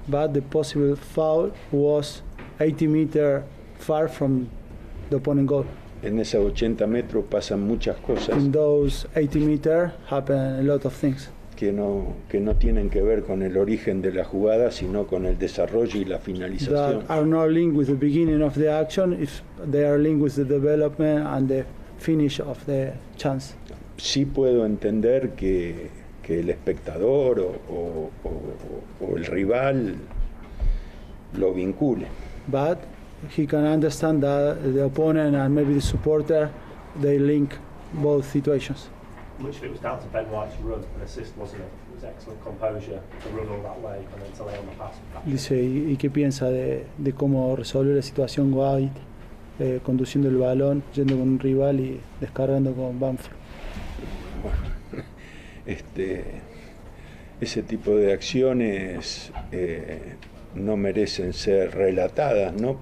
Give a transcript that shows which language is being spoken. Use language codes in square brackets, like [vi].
[en] But the possible foul was 80 meters far from the opponent goal. [es] En esos 80 metros pasan muchas cosas. [en] In those 80 meters happen a lot of things. [es] Que no tienen que ver con el origen de la jugada, sino con el desarrollo y la finalización. [en] That are not linked with the beginning of the action, if they are linked with the development and the finish of the chance. [es] Sí puedo entender que el espectador o el rival lo vincule. [en] But he can understand that the opponent and maybe the supporter, they link both situations. Much of it was down to Ben White's run and assist, wasn't it? It was excellent composure to run all that way and then to lay on the pass. [es] Dice, ¿y qué piensa de cómo resolvió la situación White, conduciendo el balón, yendo con un rival y descargando con Bamford? Ese tipo de acciones no merecen ser relatadas, ¿no?